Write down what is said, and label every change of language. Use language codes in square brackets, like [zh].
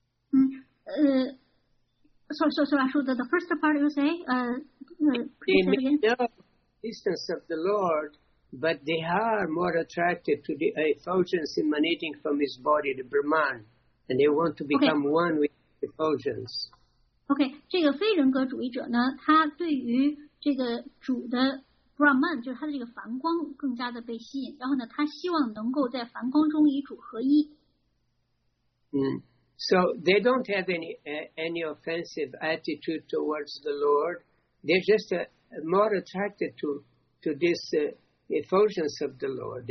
[en] So, Ashoda, the first part you say, they may know the existence of the Lord, but they are more attracted to the effulgence emanating from his body, the Brahman, and they want to become one with the effulgence. [zh] Okay, 这个非人格主义者呢，他对于这个主的 Brahman 就是他的这个梵光更加的被吸引，然后呢，他希望能够在梵光中与主合一。 [en] So they don't have any offensive attitude towards the Lord. They're just more attracted to this effulgence of the Lord.